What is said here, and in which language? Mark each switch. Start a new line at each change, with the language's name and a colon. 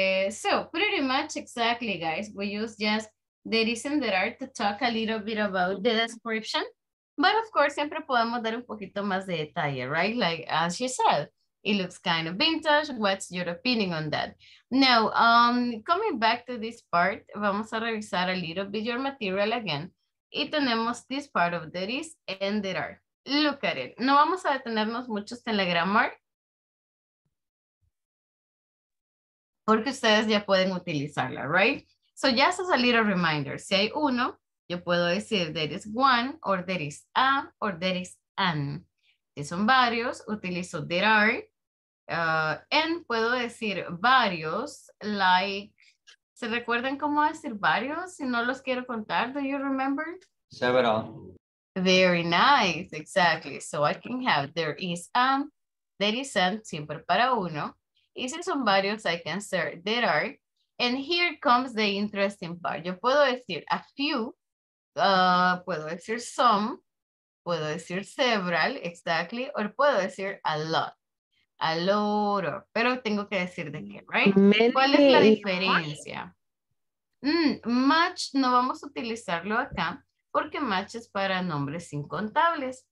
English: So pretty much exactly, guys, we use just the reason that are to talk a little bit about the description, but of course,
Spanish: siempre podemos dar un poquito más de detalle,
English: right? Like as she said, it looks kind of vintage. What's your opinion on that? Now, coming back to this part,
Spanish: vamos a revisar
English: a little bit your material again.
Spanish: Y tenemos
English: this part of there is and there are. Look at it.
Spanish: No vamos a detenernos mucho en la grammar, porque ustedes ya pueden utilizarla, right?
English: So just as a little reminder,
Spanish: si hay uno, yo puedo decir
English: there is one, or there is a, or there is an.
Spanish: Si son varios, utilizo
English: there are, and
Spanish: puedo decir varios,
English: like,
Spanish: ¿se recuerdan cómo decir varios? Si no los quiero contar,
English: do you remember? Several. Very nice, exactly. So I can have there is a, there is an,
Spanish: siempre para uno. Y si son varios,
English: I can say there are. And here comes the interesting part.
Spanish: Yo puedo decir a few, puedo decir some, puedo decir several,
English: exactly, or
Spanish: puedo decir a lot.
English: A lot of,
Spanish: pero tengo que decir de qué,
English: right? Many.
Spanish: ¿Cuál es la diferencia? Much, no vamos a utilizarlo acá, porque much es para nombres incontables.